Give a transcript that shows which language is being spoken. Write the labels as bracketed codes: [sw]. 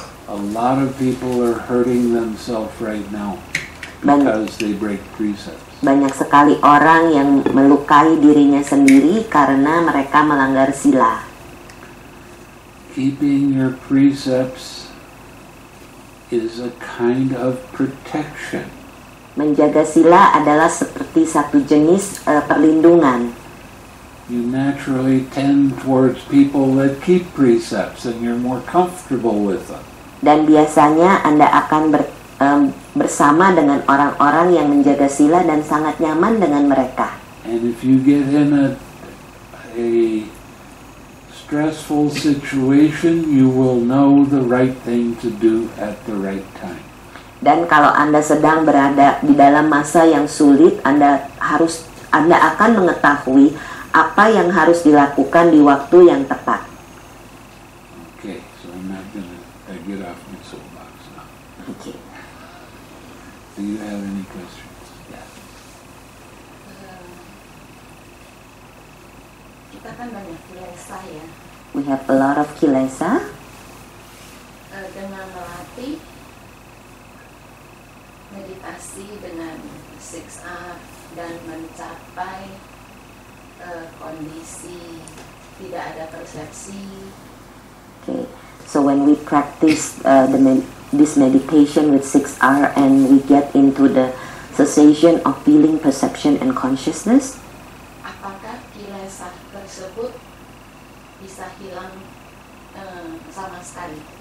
[en] A lot of people are hurting themselves right now because they break precepts. [id] Banyak sekali orang yang melukai dirinya sendiri karena mereka melanggar sila. [en] Keeping your precepts is a kind of protection. [id] Menjaga sila adalah seperti satu jenis perlindungan. [en] You naturally tend towards people that keep precepts and you're more comfortable with them. [id] Dan biasanya Anda akan bersama dengan orang-orang yang menjaga sila dan sangat nyaman dengan mereka. [en] And if you get in a stressful situation, you will know the right thing to do at the right time. [id] Dan kalau Anda sedang berada di dalam masa yang sulit, Anda akan mengetahui apa yang harus dilakukan di waktu yang tepat. [en] Okay, so I'm not gonna get off my soapbox now. Okay. Do you have any questions? Yeah. [id] Kita kan banyak kilesa ya. [en] We have a lot of kilesa. [id] Dengan melatih meditasi dengan six up dan mencapai kondisi tidak ada persepsi. [en] Okay. So when we practice this meditation with 6R and we get into the cessation of feeling, perception and consciousness, [id] apakah kilesa tersebut bisa hilang sama sekali?